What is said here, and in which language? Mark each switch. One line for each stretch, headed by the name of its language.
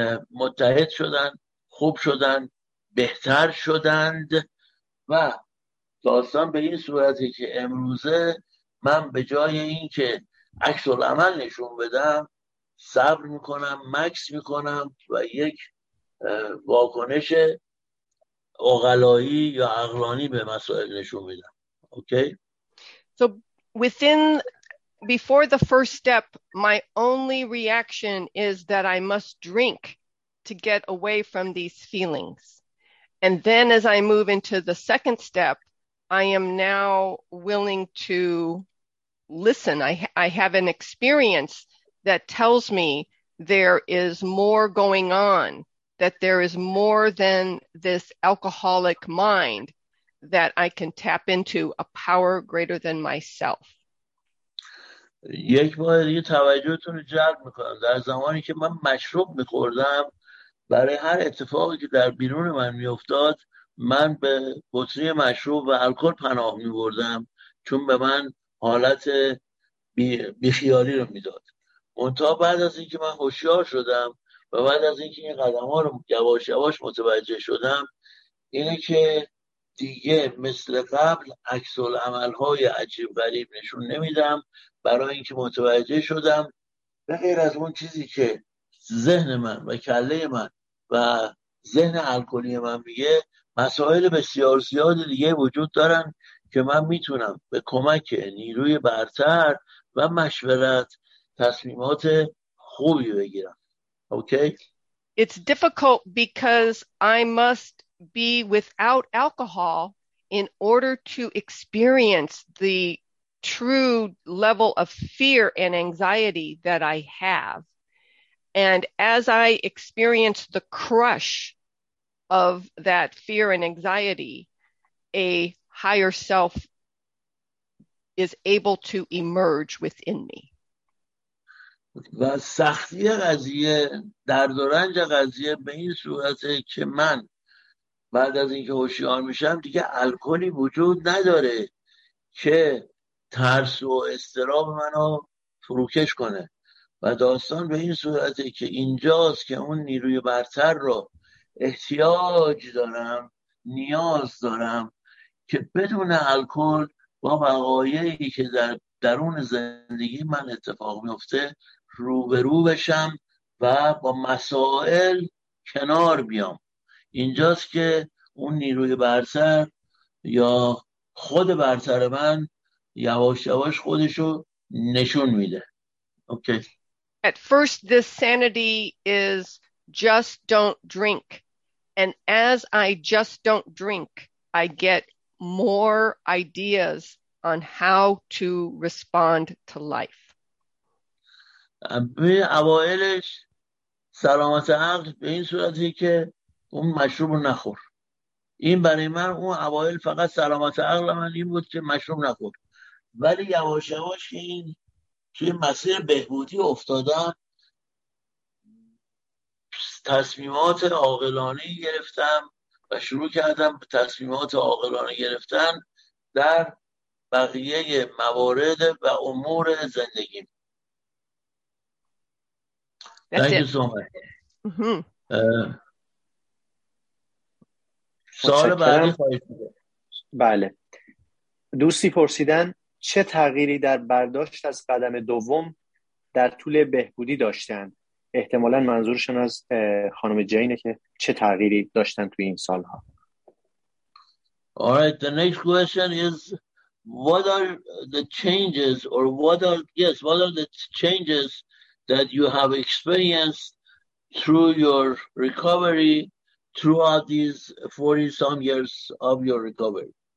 Persian: متحد شدن، خوب شدن، بهتر شدند و داستان به این صورتی که امروزه من به جای این که عکس العمل نشون بدم صبر میکنم، مکس میکنم و یک واکنش عقلایی یا عقلانی به مسائل نشون میدم. اوکی؟
English: So within, before the first step, my only reaction is that I must drink to get away from these feelings. And then as I move into the second step, I am now willing to listen. I have an experience that tells me there is more going on, that there is more than this alcoholic mind that I can tap into, a power greater than myself.
Persian: یک بار دیگه توجهتون رو جلب میکنم. در زمانی که من مشروب میخوردم، برای هر اتفاقی که در بیرون من میافتاد، من به بطری مشروب و الکل پناه میبردم، چون به من حالت بیخیالی رو میداد. منتها بعد از اینکه من هوشیار شدم و بعد از اینکه این قدم ها رو یواش یواش متوجه شدم، اینه که دیگه مثل قبل عکس العمل های عجیب غریب نشون نمیدم، برای اینکه متوجه شدم به غیر از اون چیزی که ذهن من و کله من و ذهن الکلی من میگه، مسائل بسیار زیاد دیگه وجود دارن که من میتونم به کمک نیروی برتر و مشورت تصمیمات خوبی بگیرم. اوکی؟
English: It's difficult because I must be without alcohol in order to experience the true level of fear and anxiety that I have. And as I experience the crush of that fear and anxiety, a higher self is able to emerge within me.
Persian: و سختی قضیه، درد و رنج قضیه به این صورته که من بعد از اینکه هوشیار میشم دیگه الکلی وجود نداره که ترس و استراب منو فروکش کنه، و داستان به این صورته که اینجاست که اون نیروی برتر رو احتیاج دارم، نیاز دارم که بدون الکل با وقایعی که در درون زندگی من اتفاق میفته روبرو بشم و با مسائل کنار بیام. اینجاست که اون نیروی برتر یا خود برتر من یواش یواش خودشو نشون میده. اوکی.
English: At first this sanity is just don't drink. And as I just don't drink, I get more ideas on how to respond to life.
Persian: به اوائلش سلامت عقل به این صورتی که اون مشروب نخور. این برای من اون اوائل فقط سلامت عقل من این بود که مشروب نخور. ولی یواش یواش که این توی مسیر بهبودی افتادم، تصمیمات عاقلانه گرفتم و شروع کردم به تصمیمات عاقلانه گرفتن در بقیه موارد و امور زندگیم.
English: Thank you so much.
Persian: سوال بعدی. بله، دوستی پرسیدن چه تغییری در برداشت از قدم دوم در طول بهبودی داشتن؟ احتمالاً منظورشون از خانم جینه که چه تغییری داشتن توی این سالها.
English: Alright, the next question is what are the changes or what are the changes that you have experienced through your recovery throughout these 40 some years of your recovery?